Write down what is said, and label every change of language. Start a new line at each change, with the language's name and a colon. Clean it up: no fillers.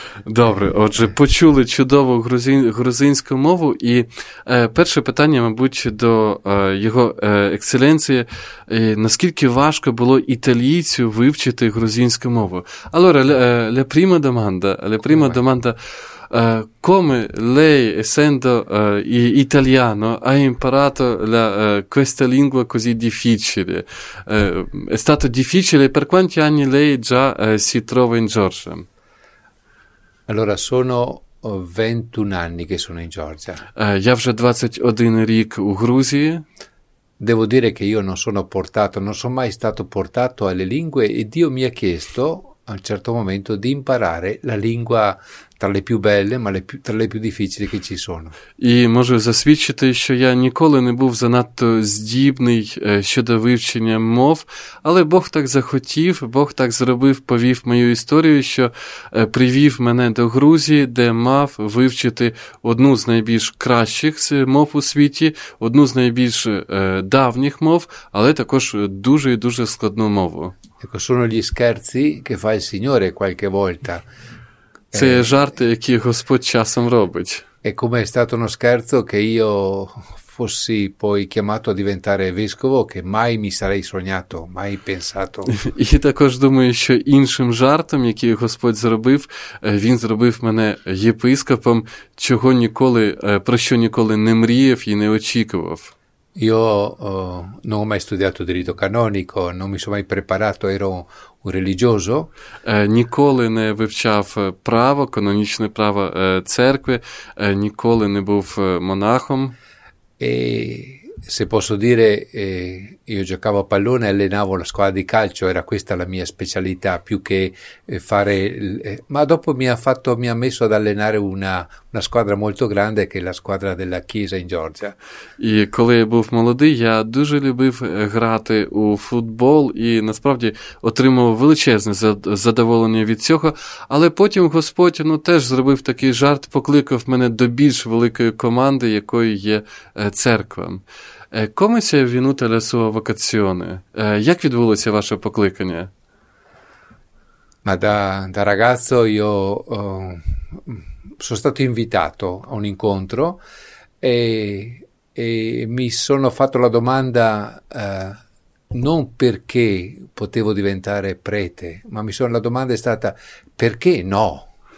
Ukrainian: Добре, отже, почули чудову грузинську мову, і перше питання, мабуть, до його екселенції, наскільки важко було італійцю вивчити грузинську мову.
Italian: Allora, la prima domanda, come lei, essendo italiano, ha imparato questa lingua così difficile? È stato difficile? Per quanti anni lei già si trova in Georgia? Allora, sono 21 anni che sono in Georgia.
Ukrainian: Я вже 21 рік у Грузії.
Italian: Devo dire che io non sono mai stato portato alle lingue e Dio mi ha chiesto a un certo momento di imparare la lingua tra le più belle, ma tra le più difficili che ci sono.
Ukrainian: І можу засвідчити, що я ніколи не був занадто здібний щодо вивчення мов, але Бог так захотів, Бог так зробив, повів мою історію, що привів мене до Грузії, де мав вивчити одну з найбільш кращих мов у світі, одну з найбільш давніх мов, але також дуже і дуже складну мову.
Italian: Ecco, sono gli scherzi che fa il Signore qualche volta.
Ukrainian: Це жарти, які Господь часом робить.
Italian: E come è stato uno scherzo che io fossi poi chiamato a diventare vescovo, che mai mi sarei sognato, mai pensato.
Ukrainian: І також думаю, що іншим жартом, який Господь зробив, він зробив мене єпископом, чого ніколи, про що ніколи не мріяв і не очікував.
Italian: Io non ho mai studiato diritto canonico, non mi sono mai preparato, ero un religioso.
Ukrainian: Ніколи не вивчав право, канонічне право церкви, ніколи не був монахом.
Italian: E se posso dire, io giocavo a pallone, allenavo la squadra di calcio, era questa la mia specialità, più che fare... Ma dopo mi ha messo ad allenare una squadra molto grande, che è la squadra della Chiesa in Georgia.
Ukrainian: І коли я був молодий, я дуже любив грати у футбол, і насправді отримував величезне задоволення від цього. Але потім Господь, ну, теж зробив такий жарт, покликав мене до більш великої команди, якою є церква.
Italian: Come si è venuta la sua vocazione?
Ukrainian: Як відбулося ваше покликання?
Italian: Ma da ragazzo io sono stato invitato a un incontro e mi sono fatto la domanda non perché potevo diventare prete, ma la domanda è stata perché no?